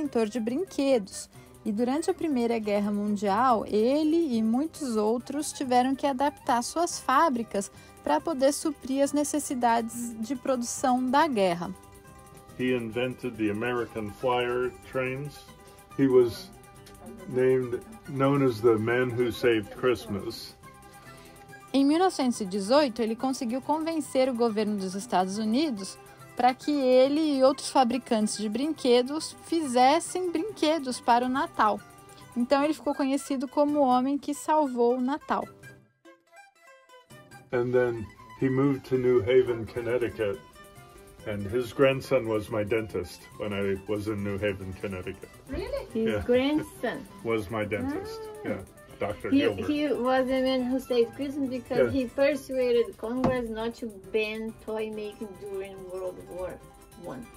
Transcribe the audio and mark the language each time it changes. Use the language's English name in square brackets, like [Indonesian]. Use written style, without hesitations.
[Portuguese] De brinquedos, e durante a Primeira Guerra Mundial, ele e muitos outros tiveram que adaptar suas fábricas para poder suprir as necessidades de produção da guerra. [English] He invented the American Flyer trains. He was known as the man who saved Christmas. [Portuguese] Em 1918, ele conseguiu convencer o governo dos Estados Unidos para que ele e outros fabricantes de brinquedos fizessem brinquedos para o Natal. Então ele ficou conhecido como o homem que salvou o Natal. [English] And then he moved to New Haven, Connecticut. And his grandson was my dentist when I was in New Haven, Connecticut. Really? His grandson was my dentist. Ah. Yeah. Dr. Gilbert. He was the man who saved Christmas because he persuaded Congress not to ban toy making during World War I.